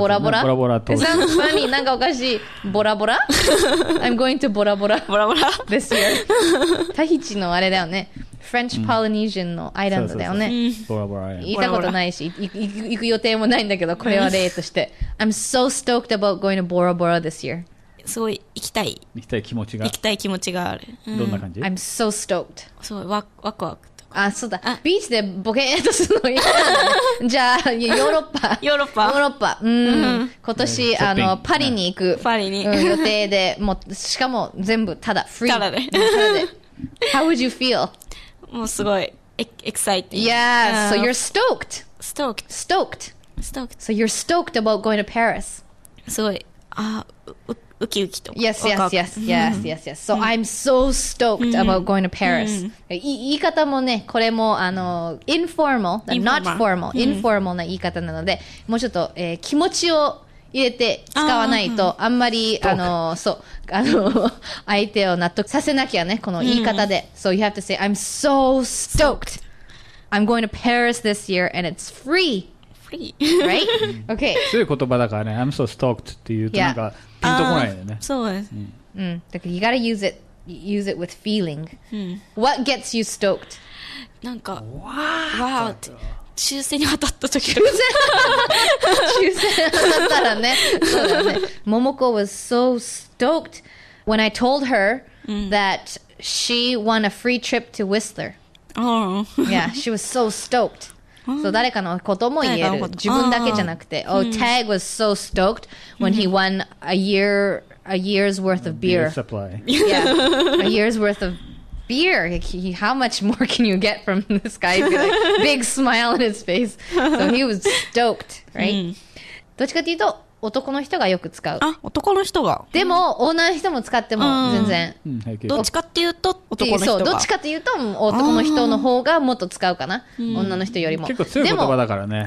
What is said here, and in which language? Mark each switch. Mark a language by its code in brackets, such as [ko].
[en] Bora Bora。 [ja] Bora Bora と。 [en] Is that funny? [ja] なんかおかしい。 [en] Bora Bora? I'm going to Bora Bora. Bora Bora. This year. [ja] タヒチのあれだよね。French Polynesian のアイランドだよね。 [en] Bora Bora Island。 [ja] 言ったことないし、行く予定もないんだけど、これは例として。 [en] I'm so stoked about going to Bora Bora this year. [ja] すごい行きたい行きたい気持ちが行きたい気持ちがある、どんな感じ [en] I'm so stoked [ja] そうワクワクとかあそうだビーチでボケーっとするの嫌なじゃあヨーロッパヨーロッパヨーロッパうん今年あのパリに行くパリに、予定でもうしかも全部ただフリーただで [en] How would you feel? [ja] もうすごいエクサイティ [en] ング Yeah so you're stoked stoked stoked stoked so you're stoked about going to Paris [ja] すごいあウキウキと [en] yes, yes, yes, yes, yes, yes. So I'm so stoked about going to Paris. [ja] 言い方もね、これもあの [en] informal, not formal, informal [ja] な言い方なので、もうちょっと、気持ちを入れて使わないと、あんまり、あの、そう、あの、相手を納得させなきゃね、この言い方で。 [en] So you have to say, I'm so stoked. I'm going to Paris this year and it's free. Right? Okay. [ja] そういう言葉だからね。 [en] I'm so stoked [ja] って言うとなんかピンとこないよね。そうです。だから [en] you gotta use it with feeling.、What gets you stoked? [ja] なんか、 [en] wow [ja] って。抽選に当たった時抽選抽選当たったらね。そうだね。 [en] 桃子 was so stoked when I told her、that she won a free trip to Whistler. Oh. Yeah, she was so stoked. [ja] So, 誰かのことも言える。自分だけじゃなくて。 [en] Oh, Tag was so stoked when he won a year's worth of beer. Beer supply. Yeah. A year's worth of beer. How much more can you get from this guy? Big smile on his face. So, he was stoked, right? [ja] どっちかというと、男の人がよく使う。あ、男の人が。でも、女の人も使っても全然。どっちかっていうと、男の人が。そう、どっちかっていうと、男の人の方がもっと使うかな。女の人よりも。結構強い言葉だからね。